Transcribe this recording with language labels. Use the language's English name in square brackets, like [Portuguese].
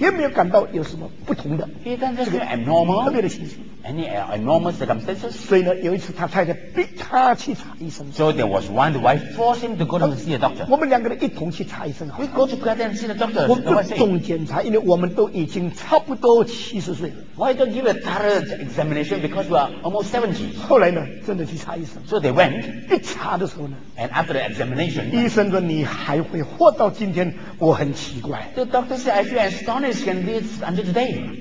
[Chinese] 也没有感到有什么不同的。 [English] He doesn't feel abnormal. [Chinese] 特别的情形。 [English] Any abnormal circumstances. [Chinese] 所以呢，有一次他太太逼他去查医生。 [English] So there was one the wife forced him to go to see a doctor. [Chinese] 我们两个人一同去查医生。 [English] We go to go and see the doctor. [Chinese] 我们不总检查，因为我们都已经差不多70岁了。 [English] Why don't give a thorough examination? Because we are almost 70. [Chinese] 后来呢，真的去查医生。 [English] So they went. [Chinese] 一查的时候呢， [English] and after the examination, [Chinese] 医生说你还会活到今天，我很奇怪。 [English] The doctor said, I feel astonished in this until today.